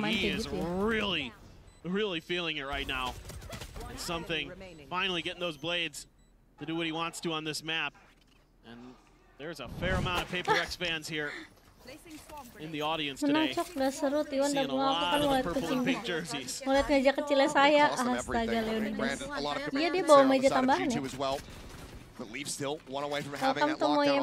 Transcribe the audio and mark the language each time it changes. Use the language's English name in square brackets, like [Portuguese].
[English] He is really, really feeling it right now. And something, finally getting those blades to do what he wants to on this map. And there's a fair amount of Paper X fans here in the audience today. Seeing a lot of the purple and pink jerseys. [Indonesian] Melihat meja kecilnya saya, astaga Leonidas. Iya, dia bawa meja tambahan ya. [English] But Leaf still one away from having that lockdown online.